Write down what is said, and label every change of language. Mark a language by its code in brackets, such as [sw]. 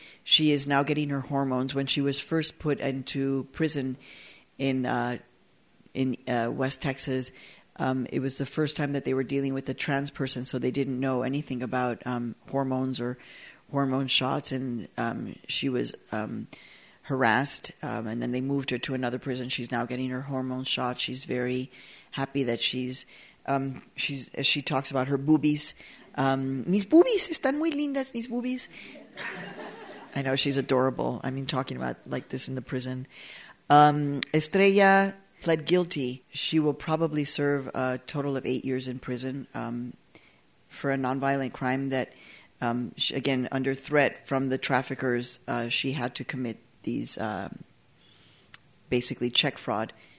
[en] She is now getting her hormones. When she was first put into prison in West Texas, it was the first time that they were dealing with a trans person, so they didn't know anything about hormones or hormone shots, and she was harassed, and then they moved her to another prison. She's now getting her hormone shot. She's very happy that she's as she talks about her boobies. [es] Mis boobies están muy lindas, mis boobies. [en] I know, she's adorable. I mean, talking about like this in the prison. Estrella pled guilty. She will probably serve a total of 8 years in prison for a nonviolent crime that she, again, under threat from the traffickers, she had to commit these basically check fraud.